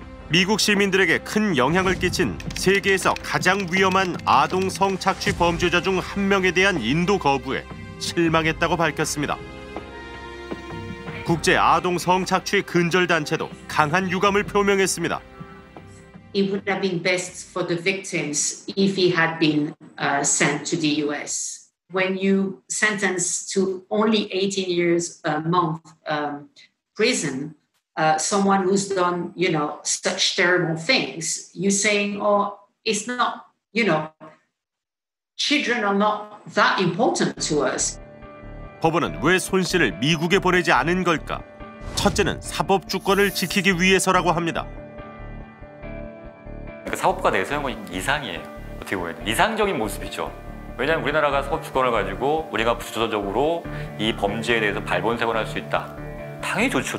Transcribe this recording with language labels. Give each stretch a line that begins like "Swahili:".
Korean: 미국 시민들에게 큰 영향을 끼친 세계에서 가장 위험한 아동 성착취 범죄자 중 한 명에 대한 인도 거부에 실망했다고 밝혔습니다. 국제 아동 성착취 근절단체도 강한 유감을 표명했습니다.
English: it would have been best for the victims if he had been sent to the U.S. When you sentence to only 18 years a month prison, someone who's done, you know, such terrible things, you're saying, oh, it's not, you know, children are not that important to us.
Korean: 법원은 왜 손 씨를 미국에 보내지 않은 걸까? 첫째는 사법 주권을 지키기 위해서라고 합니다. 그 사법부가 내세운 건 이상이에요. 어떻게 보면 이상적인 모습이죠. 왜냐하면 우리나라가 사법 주권을 가지고 우리가 부수적으로 이 범죄에 대해서 발본색을 할 수 있다. 당연히 좋죠.